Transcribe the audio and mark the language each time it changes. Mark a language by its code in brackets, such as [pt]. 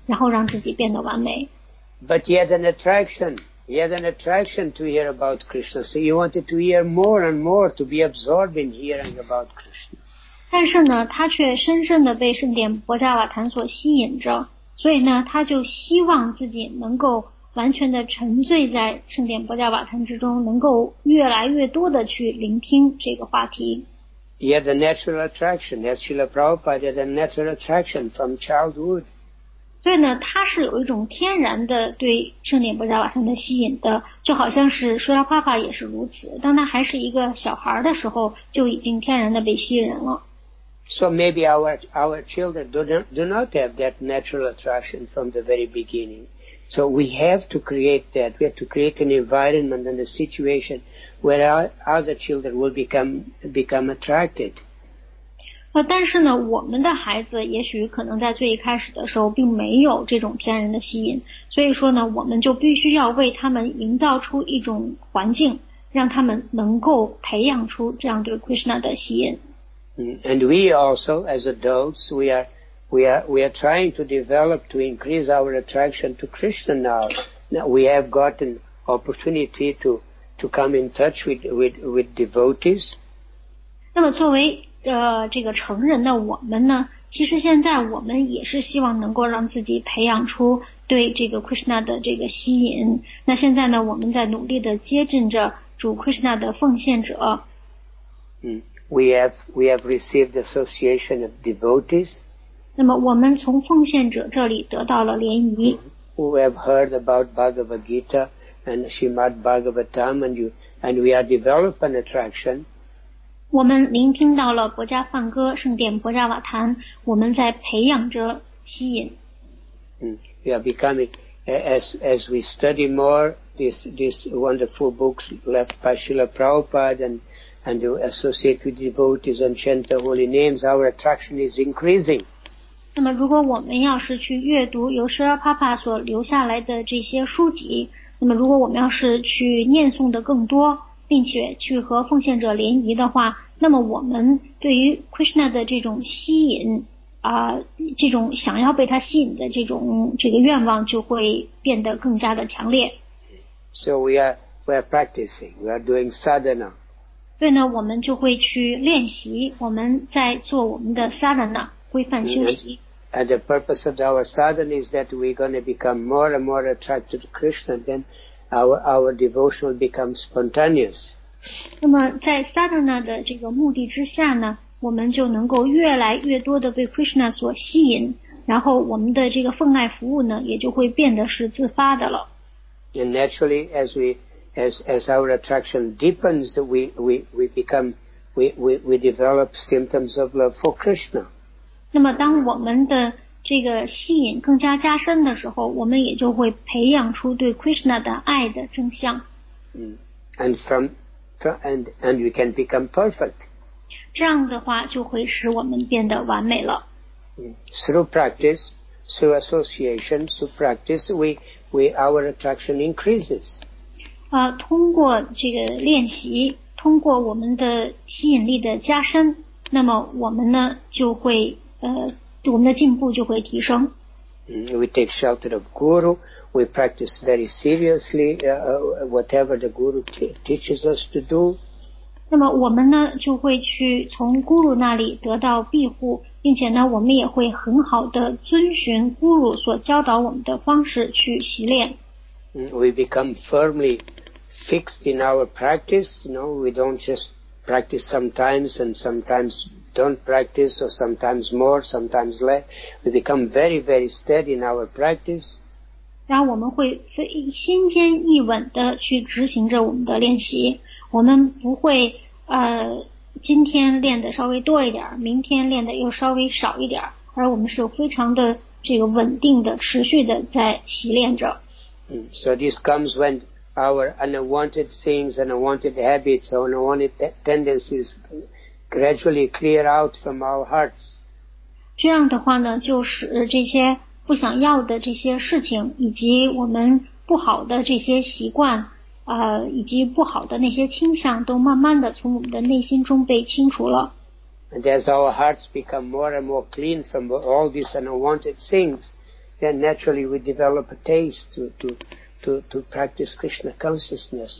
[zh] 那么帕尔克西特王呢，他其实已经是完美的了，所以他根本就不需要让自己去坐在雅穆纳河的岸边，然后去聆听圣典波扎瓦坛，然后让自己变得完美。 [en] But he had an attraction to hear about Krishna, so he wanted to hear more and more to be absorbed in hearing about Krishna. [zh] 但是呢，他却深深地被圣典波扎瓦坛所吸引着，所以呢，他就希望自己能够 完全的沉醉在圣殿波迦瓦坛之中，能够越来越多的去聆听这个话题。 [en] He had a natural attraction, as Srila Prabhupada had a natural attraction from childhood. [zh] 所以呢，他是有一种天然的对圣殿波迦瓦坛的吸引的，就好像是Srila Prabhupada也是如此，当他还是一个小孩的时候，就已经天然的被吸引了。 [en] So maybe our children do not have that natural attraction from the very beginning. So we have to create that. We have to create an environment and a situation where our other children will become attracted. [zh] 但是呢，我们的孩子也许可能在最一开始的时候并没有这种天然的吸引，所以说呢，我们就必须要为他们营造出一种环境，让他们能够培养出这样对 Krishna 的吸引。 [en] And we also, as adults, we are trying to develop to increase our attraction to Krishna now. Now we have gotten opportunity to come in touch with devotees. [zh] 那么作为这个成人的我们呢，其实现在我们也是希望能够让自己培养出对这个 Krishna 的这个吸引。那现在呢，我们在努力的接近着主 Krishna 的奉献者。 [en] We have received association of devotees. [zh] 那么我们从奉献者这里得到了联谊。 [en] We have heard about Bhagavad Gita and Srimad Bhagavatam, and we are developing attraction. [zh] 我们聆听到了博迦梵歌圣殿博迦瓦坛，我们在培养着吸引。 [en] We are becoming as we study more these wonderful books left by Srila Prabhupada and associate with devotees and chant the holy names, our attraction is increasing. [zh] 那么如果我们要是去阅读由舍拉帕帕所留下来的这些书籍，那么如果我们要是去念诵的更多并且去和奉献者联谊的话，那么我们对于 Krishna 的这种吸引这种想要被他吸引的这个愿望就会变得更加的强烈。 [en] So we are practicing, we are doing sadhana. [zh] 对呢，我们就会去练习，我们在做我们的 sadhana, 规范修习。 [en] And the purpose of our sadhana is that we're going to become more and more attracted to Krishna, then our devotion will become spontaneous. [zh] 那么在 sadhana 的这个目的之下呢，我们就能够越来越多的被 Krishna 所吸引，然后我们的这个奉爱服务呢，也就会变得是自发的了。 [en] And naturally, as our attraction deepens, we develop symptoms of love for Krishna. [zh] 那么当我们的这个吸引更加加深的时候，我们也就会培养出对 Krishna 的爱的正向。 [en] And we can become perfect. [zh] 这样的话就会使我们变得完美了。 [en] Through practice, through association, through practice, our attraction increases. [zh] 通过这个练习，通过我们的吸引力的加深，那么我们呢就会我们的进步就会提升。 [en] We take shelter of Guru. We practice very seriously whatever the Guru teaches us to do. [zh] 那么我们呢就会去从 Guru 那里得到庇护，并且呢我们也会很好的遵循 Guru 所教导我们的方式去习练。 [en] We become firmly fixed in our practice. You know, we don't just practice sometimes and sometimes. Don't practice, or sometimes more, sometimes less. We become very, very steady in our practice. [zh] 然后我们会心坚意稳地去执行着我们的练习。我们不会今天练得稍微多一点，明天练得又稍微少一点，而我们是非常的这个稳定的、持续的在习练着。 [en] So this comes when our unwanted things and unwanted habits or unwanted tendencies. Gradually clear out from our hearts. [zh] 这样的话呢，就使这些不想要的这些事情，以及我们不好的这些习惯，以及不好的那些倾向，都慢慢的从我们的内心中被清除了。 [en] And as our hearts become more and more clean from all these unwanted things, then naturally we develop a taste to practice Krishna consciousness.